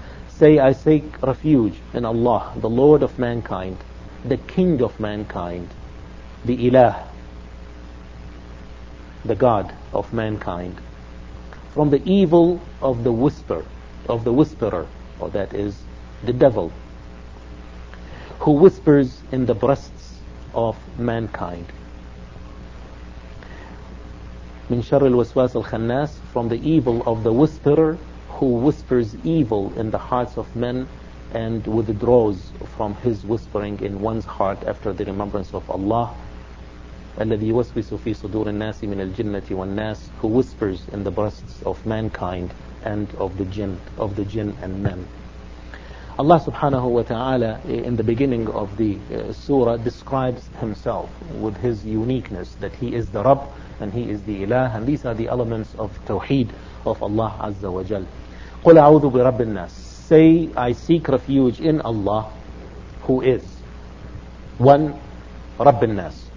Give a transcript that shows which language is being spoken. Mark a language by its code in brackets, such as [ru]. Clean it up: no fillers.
[en] Say, I seek refuge in Allah, the Lord of mankind, the King of mankind, the Ilah, the God of mankind, from the evil of the whisperer, or that is the devil, who whispers in the breasts of mankind. [ar] من شر الوسواس الخناس, [en] from the evil of the whisperer who whispers evil in the hearts of men and withdraws from his whispering in one's heart after the remembrance of Allah. [ar] الذي يوسوس في صدور الناس من الجنة والناس, [en] who whispers in the breasts of mankind and of the jinn and men. Allah subhanahu wa ta'ala in the beginning of the surah describes himself with his uniqueness, that he is the Rabb and he is the Ilah, and these are the elements of Tawheed of Allah Azza wa Jal. [ar] قل أعوذ برب الناس, [en] say, I seek refuge in Allah, who is one, [ar] رب الناس.